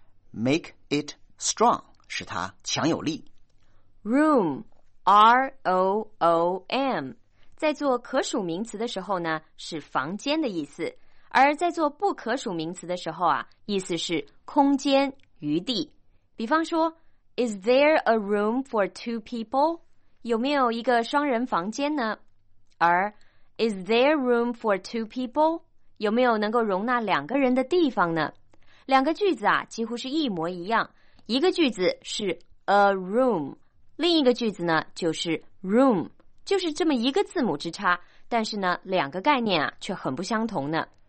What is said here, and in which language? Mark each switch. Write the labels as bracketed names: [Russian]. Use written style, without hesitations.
[English] Make it strong [Chinese] 使它强有力。 Room, R-O-O-M 在做可数名词的时候呢，是房间的意思。而在做不可数名词的时候啊，意思是空间、余地。比方说 [English] ,Is there a room for two people? [Chinese] 有没有一个双人房间呢？ [English] 而 ,Is there room for two people? [Chinese] 有没有能够容纳两个人的地方呢？两个句子啊，几乎是一模一样。一个句子是 a room, 另一个句子呢就是 room, 就是这么一个字母之差，但是呢两个概念啊却很不相同呢。